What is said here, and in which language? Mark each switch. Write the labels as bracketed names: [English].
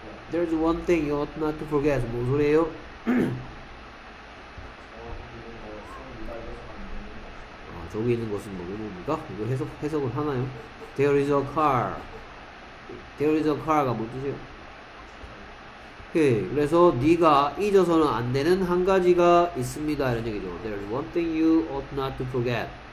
[English] There is one thing you ought not to forget. [Korean] 뭔 소리예요? 아, 저기 있는 것은 뭐 이런 겁니까? [English] 이거 해석을 하나요? There is a car. There is a car가 뭔 뜻이에요? 오케이. [Korean] 그래서 네가 잊어서는 안 되는 한 가지가 있습니다. 이런 얘기죠. [English] There is one thing you ought not to forget.